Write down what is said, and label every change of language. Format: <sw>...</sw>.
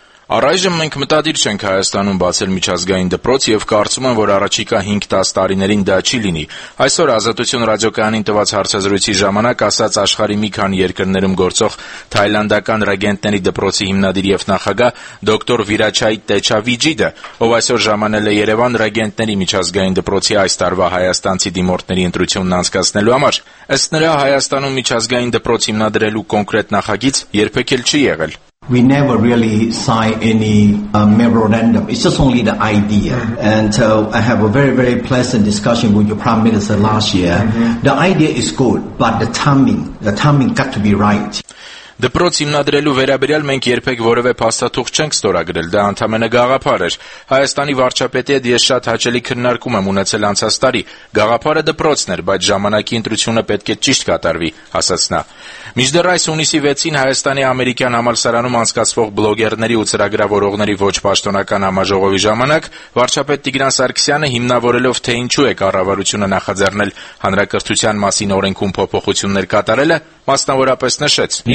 <hy>Առայժմ մենք մտադիր չենք Հայաստանում բացել միջազգային դպրոց և կարծում եմ, որ առաջիկա 5-10 տարիներին դա չի լինի։ Այսօր Ազատություն ռադիոկայանին տված հարցազրույցի ժամանակ ասաց աշխարհի մի քանի երկրներում գործող թայլանդական ռեգենտների դպրոցի հիմնադիր և նախագահ դոկտոր Վիրաչայ Տեչավիջիդը, ով այսօր ժամանել է Երևան ռեգենտների միջազգային դպրոցի այս տարվա հայաստանցի դիմորդների ընտրությունն անցկացնելու համար։ Ըստ նրա, Հայաստանում միջազգային դպրոց հիմնադրելու կոնկրետ նախագիծ երբեք չի եղել։</hy> <en>We never really sign any memorandum. It's just only the idea. And I have a very, very pleasant discussion with your Prime Minister last year. The idea is good, but the timing got to be right.</en> <hy>Դպրոց հիմնադրելու վերաբերյալ մենք երբեք որևէ փաստաթուղթ չենք ստորագրել, դա ընդամենը գաղափար էր։ Հայաստանի վարչապետի հետ ես շատ հաճելի քննարկում եմ ունեցել անցած տարի։ Գաղափարը դպրոցն էր, բայց ժամանակի ընտրությունը պետք է ճիշտ կատարվի, ասաց նա։ Մինչդեռ այս հունիսի 6-ին Հայաստանի ամերիկյան համալսարանում անցկացվող բլոգերների ու ծրագրավորողների ոչ պաշտոնական համաժողովի ժամանակ վարչապետ Տիգրան Սարգսյանը, հիմնավորելով թե ինչու է կառավարությունը նախաձեռնել հանրակրթության մասին օրենքում փոփոխություններ կատարելը, մասնավորապես նշեց.</hy>